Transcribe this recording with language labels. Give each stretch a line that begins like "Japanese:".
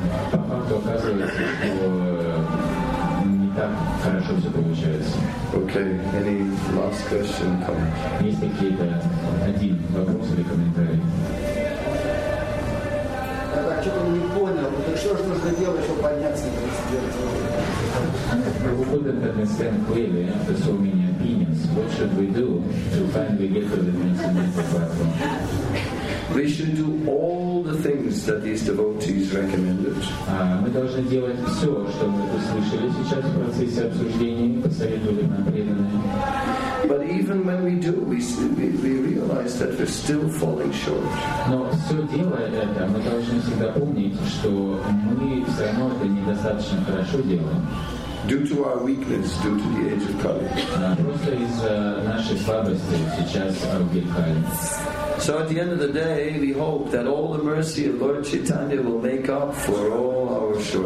Russian: По факту оказывается, что не так хорошо все получается.
English: Okay, any last question, comment?
Russian: Есть какие-то один вопрос или комментарий? Что-то не понял, что же нужно делать, чтобы подняться на 29-й?
English: We should do all the things that these devotees recommended.
Russian: Мы должны делать все, что мы услышали сейчас в процессе обсуждения, посоветовали нам преданные.
English: But even when we do, we realize that we're still falling short.
Russian: Но все делая это, мы должны всегда помнить, что мы все равно это недостаточно хорошо делаем.
English: Due to our weakness, due to the age of Kali.
Russian: Просто из-за нашей слабости сейчас Ауги Кали.
English: So at the end of the day, we hope that all the mercy of Lord Chaitanya will make up for all our